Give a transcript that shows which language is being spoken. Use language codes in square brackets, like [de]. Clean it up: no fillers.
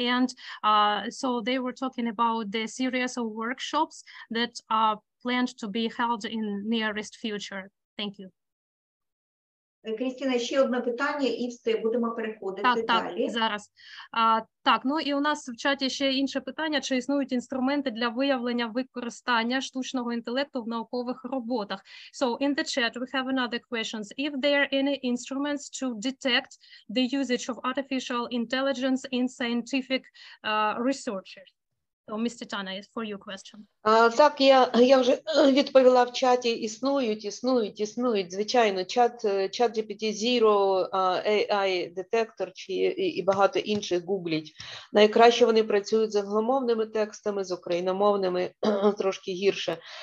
[en] And so they were talking about the series of workshops that are planned to be held in nearest future. Thank you. [uk] Крістіна, ще одне питання, і все, будемо переходити так, далі. Так, зараз. І у нас в чаті ще інше питання, чи існують інструменти для виявлення використання штучного інтелекту в наукових роботах. [en] So, in the chat, we have another question. If there are any instruments to detect the usage of artificial intelligence in scientific researchers? So, Ms. Tatiana, it's for your question. [uk] Так, я вже відповіла в чаті. Існують. Звичайно, чат GPT-Zero, AI детектор і багато інших гуглять. Найкраще вони працюють з англомовними текстами, з україномовними трошки гірше.